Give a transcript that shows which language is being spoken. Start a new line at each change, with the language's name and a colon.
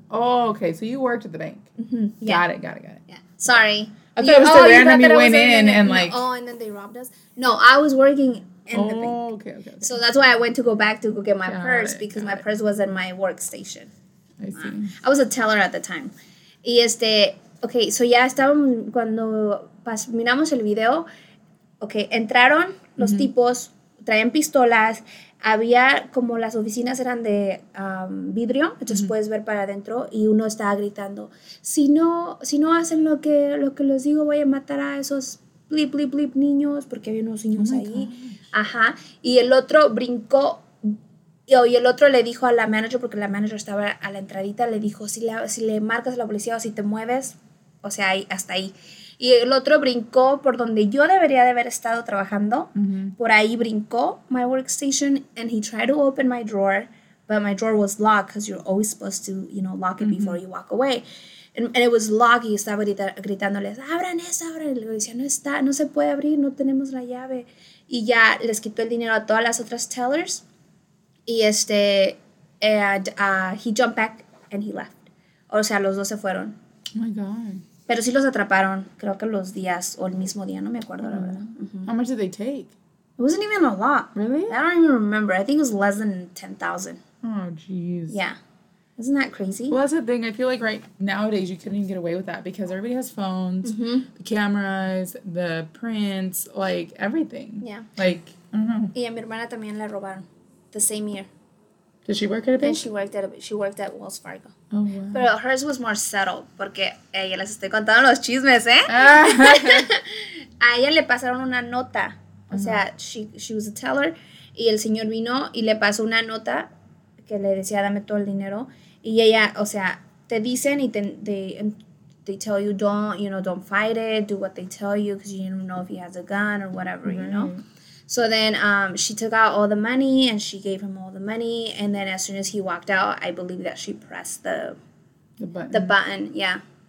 English: Oh, okay. So you worked at the bank. Mm-hmm. Got it. Yeah. Sorry. I thought it was still there, and then you went in and like... Oh, and then they robbed us? No, I was working in the bank. Oh, okay. So that's why I went to go back to go get my purse, because my purse was at my workstation. I see. I was a teller at the time.
Spanish: Y este...
English: Okay, so
Spanish: ya estábamos... Cuando miramos el video, okay, entraron los tipos, traían pistolas, había... Como las oficinas eran de vidrio, entonces puedes ver para adentro, y uno estaba gritando, si no hacen lo que les digo, voy a matar a esos blip, blip, blip niños, porque había unos niños ahí.
English: Gosh.
Spanish: Ajá. Y el otro brincó, y el otro le dijo a la manager, porque la manager estaba a la entradita, le dijo, si le marcas a la policía o si te mueves... O sea, hasta ahí. Y el otro brincó por donde yo debería de haber estado trabajando. Por ahí brincó
English: my workstation, and he tried to open my drawer, but my drawer was locked, because you're always supposed to, you know, lock it before you walk away. And it was locked,
Spanish: y estaba gritándoles, abran eso, abran. Y le decía, no está, no se puede abrir, no tenemos la llave. Y ya les quitó el dinero a todas las otras tellers. Y
English: And he jumped back and he left.
Spanish: O sea, los dos se fueron.
English: Oh my God.
Spanish: Pero sí los atraparon. Creo que los días o el mismo día. No me acuerdo, la verdad. Mm-hmm.
English: How much did they take? It wasn't even a lot. Really? I don't even remember. I think it was less than 10,000. Oh, jeez. Yeah. Isn't that crazy? Well, that's the thing. I feel like right nowadays you couldn't even get away with that because everybody has phones, mm-hmm. the cameras, the prints, like everything. Yeah. Like, I don't know.
Spanish: Y a mi hermana también la robaron
English: the same year. Did she work at a bank? And she worked at Wells Fargo. Oh, wow.
Spanish: Pero
English: hers was more subtle
Spanish: porque a ella les estoy contando los chismes, ¿eh? A ella le pasaron una nota. O sea,
English: she was a teller
Spanish: y el señor vino y le pasó una nota que le decía, dame todo el dinero. Y ella, o sea, te dicen y
English: they tell you, don't fight it, do what they tell you because you don't know if he has a gun or whatever, mm-hmm. you know? So then she took out all the money and she gave him all the money. And then as soon as he walked out, I believe that she pressed the button. Yeah.